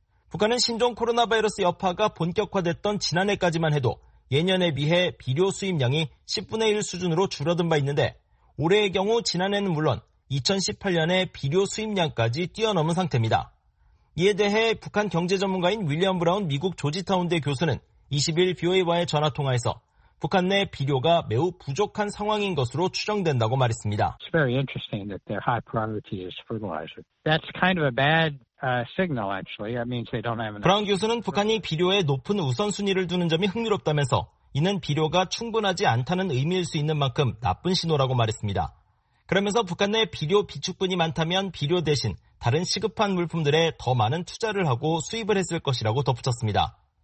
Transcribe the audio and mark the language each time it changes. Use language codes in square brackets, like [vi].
[ko] 북한은 신종 코로나 바이러스 여파가 본격화됐던 지난해까지만 해도 예년에 비해 비료 수입량이 10분의 1 수준으로 줄어든 바 있는데 올해의 경우 지난해는 물론 2018년에 비료 수입량까지 뛰어넘은 상태입니다. 이에 대해 북한 경제 전문가인 윌리엄 브라운 미국 조지타운대 교수는 20일 BOA와의 전화통화에서 북한 내 비료가 매우 부족한 상황인 것으로 추정된다고 말했습니다. [en] It's very interesting that their high priority is fertilizer. That's kind of a bad signal, actually. That means they don't have enough. [ko] 브라운 교수는 북한이 비료에 높은 우선순위를 두는 점이 흥미롭다면서 이는 비료가 충분하지 않다는 의미일 수 있는 만큼 나쁜 신호라고 말했습니다. 그러면서 북한 내 비료 비축분이 많다면 비료 대신 다른 시급한 물품들에 더 많은 투자를 하고 수입을 했을 것이라고 덧붙였습니다.